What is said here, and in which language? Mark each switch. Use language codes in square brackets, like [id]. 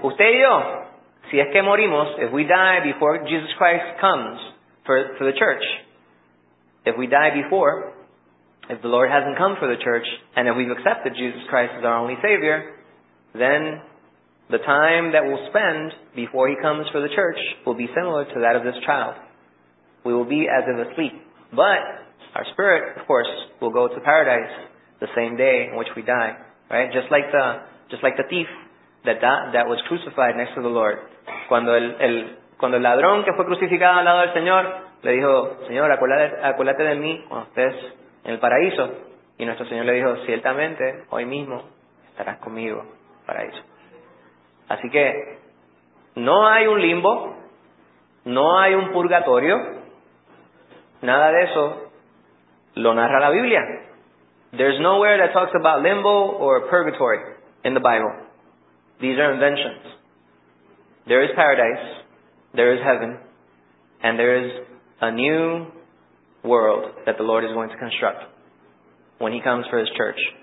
[es] Usted y yo, si es que morimos, [en] if we die before Jesus Christ comes for the church, if we die before, if the Lord hasn't come for the church, and if we've accepted Jesus Christ as our only Savior, then the time that we'll spend before He comes for the church will be similar to that of this child. We will be as if asleep. But our spirit, of course, will go to paradise the same day in which we die, right? Just like the thief that was crucified next to the Lord. [es] Cuando el ladrón que fue crucificado al lado del Señor le dijo, Señor, acuérdate de mí cuando estés en el paraíso. Y nuestro Señor le dijo, ciertamente, hoy mismo estarás conmigo en el paraíso. Así que no hay un limbo, no hay un purgatorio, nada de eso lo narra la Biblia. [en] There's nowhere that talks about limbo or purgatory in the Bible. These are inventions. There is paradise, there is heaven, and there is a new world that the Lord is going to construct when He comes for His church.